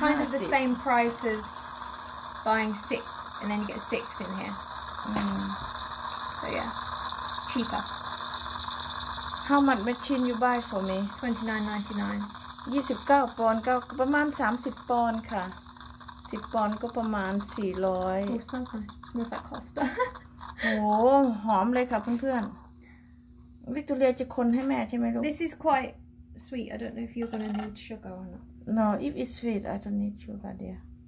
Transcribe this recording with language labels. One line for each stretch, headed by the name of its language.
English: Kind of the same price as buying six, and then you get six in here. So yeah, cheaper. How much machine you buy for me? £29.99.
Thai: 29ปอนด์ก็ประมาณ30ปอนด์ค่ะสิบปอนด์ก็ประมาณ400
English: Oh, sounds nice. Smells like Costa.
Thai: โอ้หอมเลยค่ะเพื่อนๆวิกตอเรียจะคนให้แม่ใช่ไหมลูก
English: This is quite sweet. I don't know if you're gonna need sugar or not. No, if it's sweet, I don't need sugar, dear.